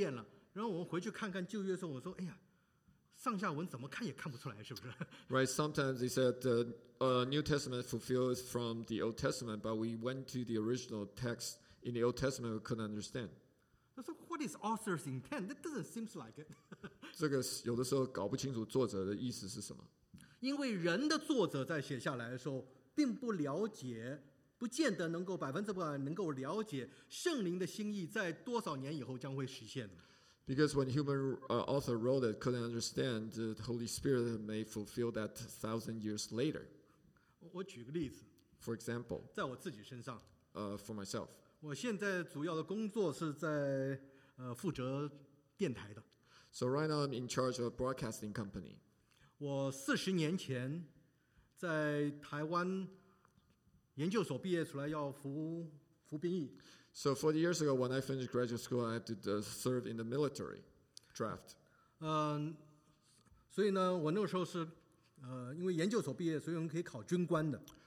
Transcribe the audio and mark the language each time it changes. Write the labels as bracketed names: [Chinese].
[Chinese] 其实我们在读圣经的时候，我们发现很多在新约圣经说，经上记着说就这样子应验了。然后我们回去看看旧约的时候，我说，哎呀。上下文怎么看也看不出来，是不是？ [English] Right, sometimes they said the New Testament fulfills from the Old Testament, but we went to the original text in the Old Testament, we couldn't understand. So what is author's intent? That doesn't seem like it. [Chinese] 这个有的时候搞不清楚作者的意思是什么。因为人的作者在写下来的时候并不了解，不见得能够百分之百能够了解圣灵的心意在多少年以后将会实现。 [English] Because when human author wrote it, couldn't understand the Holy Spirit may fulfill that 1,000 years later. [Chinese] 我举个例子。 [English] For example, [Chinese] 在我自己身上。 [English] For myself. [Chinese] 我现在主要的工作是在负责电台的。 [English] So right now I'm in charge of a broadcasting company. [Chinese] 我40年前在台湾研究所毕业出来要服兵役。 [English] So 40 years ago, when I finished graduate school, I had to serve in the military draft. [Chinese] 所以呢，我那个时候是，因为研究所毕业，所以我可以考军官的。